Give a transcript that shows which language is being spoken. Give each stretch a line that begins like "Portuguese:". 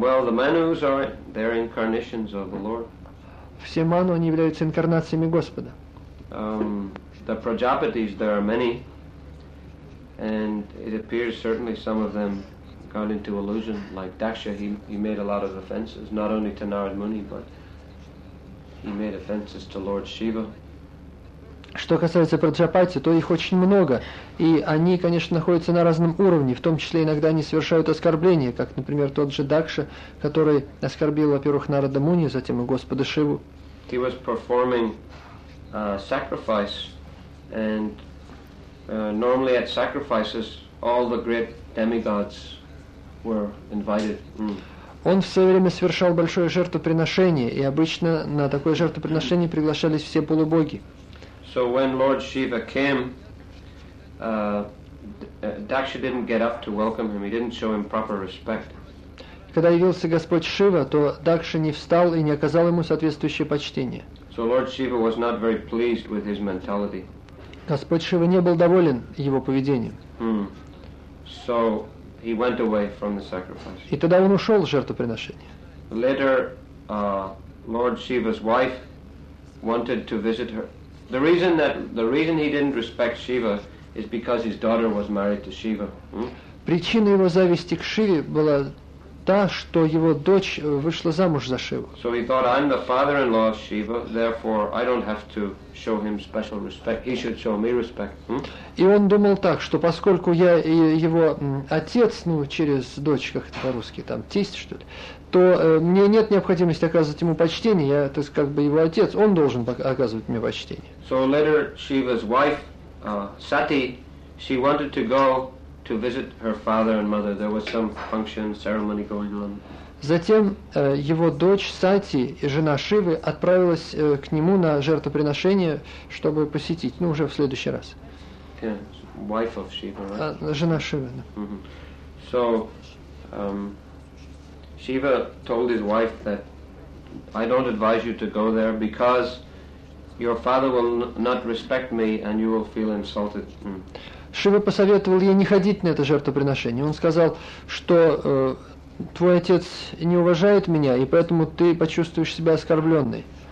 English: Well, the manus are they're incarnations of the Lord.
Russian: Все ману, они являются инкарнациями Господа.
English: The prajapatis, there are many, and it appears certainly some of them got into illusion, like Daksha. He made a lot of offenses, not only to Narad Muni, but he made offenses to Lord Shiva.
Russian: Что касается праджапати, то их очень много, и они, конечно, находятся на разном уровне. В том числе иногда они совершают оскорбления, как, например, тот же Дакша, который оскорбил, во-первых, Нарада Муни, затем и Господа Шиву.
English: He was performing sacrifice, and normally at sacrifices all the great demigods were invited. Mm.
Russian: Он в свое время совершал большое жертвоприношение, и обычно на такое жертвоприношение приглашались все полубоги.
English: So when Lord Shiva came, Daksha didn't get up to welcome him. He didn't show him proper respect.
Russian: Когда явился Господь Шива, то Дакша не встал и не оказал ему соответствующее почтение.
English: So Lord Shiva was not very pleased with his mentality.
Russian: Господь Шива не был доволен его поведением.
English: Mm. So he went away from the sacrifice.
Russian: И тогда он ушел с жертвоприношения.
English: Later, Lord Shiva's wife wanted to visit her. The reason he didn't respect Shiva is because his daughter was married to Shiva. Hmm?
Russian: Причина его зависти к Шиве была та, что его дочь вышла замуж за Шиву.
English: So he thought, I'm the father-in-law of Shiva, therefore I don't have to show him special respect. He should show me respect. Hmm?
Russian: И он думал так, что поскольку я его отец, ну, через дочь, как это по-русски, там, тесть, что ли, то мне нет необходимости оказывать ему почтение, я, так сказать, как бы его отец, он должен оказывать мне почтение.
English: So later, Shiva's wife, Sati, she wanted to go to visit her father and mother. There was some function, ceremony going on.
Russian: Затем его дочь Сати и жена Шивы отправилась к нему на жертвоприношение, чтобы посетить, ну, уже в следующий раз.
English: Yeah, wife of Shiva, right?
Russian: Жена Шивы, да. Mm-hmm.
English: So, Shiva told his wife that I don't advise you to go there because your father will not respect me and you will feel insulted. Mm.
Russian: Шива посоветовал ей не ходить на это жертвоприношение. Он сказал, что твой отец не уважает меня, и поэтому ты почувствуешь себя оскорбленной.